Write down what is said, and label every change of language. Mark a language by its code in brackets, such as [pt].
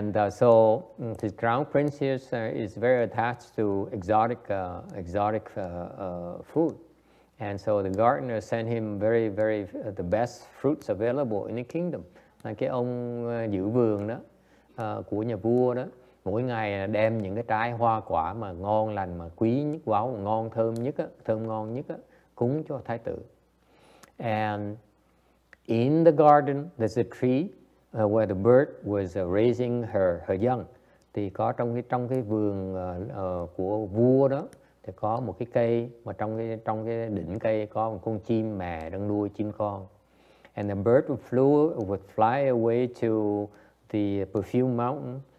[en] So this crown prince here is very attached to exotic food, and so the gardener sent him very the best fruits available in the kingdom. [vi] Cái ông giữ vườn đó của nhà vua đó mỗi ngày đem những cái trái hoa quả mà ngon lành mà quý nhất, quá ngon thơm nhất á, thơm ngon nhất á, cúng cho thái tử. [en] And in the garden there's a tree where the bird was raising her young. [vi] Thì có trong cái vườn của vua đó thì có một cái cây mà trong cái đỉnh cây có một con chim mẹ đang nuôi chim con. [en] And the bird would fly away to the perfume mountain.